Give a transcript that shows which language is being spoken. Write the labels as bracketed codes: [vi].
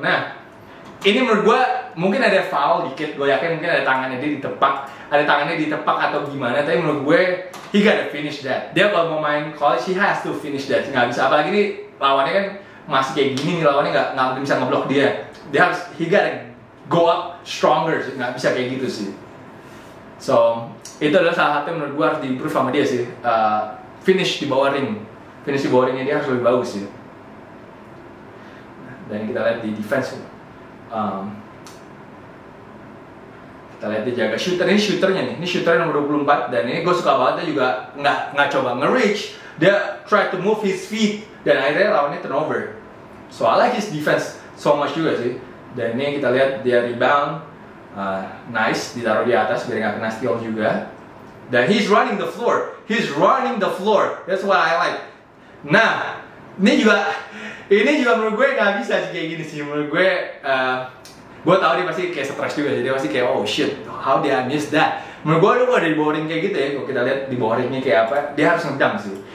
[id] Nah, ini menurut gue mungkin ada foul dikit. Gue yakin mungkin ada tangannya dia ditepak, ada tangannya ditepak atau gimana. Tapi menurut gue, [en] he gotta finish that. [id] Dia kalau mau main college, [en] he has to finish that. [id] Gak bisa, apalagi nih lawannya kan masih kayak gini nih, lawannya gak mungkin bisa ngeblok dia. Dia harus, [en] he gotta go up stronger [id] sih. Gak bisa kayak gitu sih. So, itu adalah salah satu yang menurut gue harus diimprove sama dia sih. Finish di bawah ring. Finish di bawah ringnya dia harus lebih bagus sih. Dan kita lihat di defense. Kita lihat dia jaga shooter. Ini shooternya nih. Ini shooter nomor 24. Dan ini gue suka banget, dia juga gak coba nge-reach. Dia [en] try to move his feet. [id] Dan akhirnya lawannya turnover. [en] So, I like his defense so much [id] juga sih. Dan ini kita lihat dia rebound. Nice, ditaruh di atas biar gak kena steal juga. Dan [en] he's running the floor, that's what I like. [id] Nah, ini juga menurut gue gak bisa sih kayak gini sih. Menurut gue tau dia pasti kayak stress juga, jadi dia pasti kayak, [en] oh shit, how did I miss that. [id] Menurut gue udah di bawah ring kayak gitu ya, kalau kita lihat di bawah ringnya kayak apa, dia harus ngedunk sih.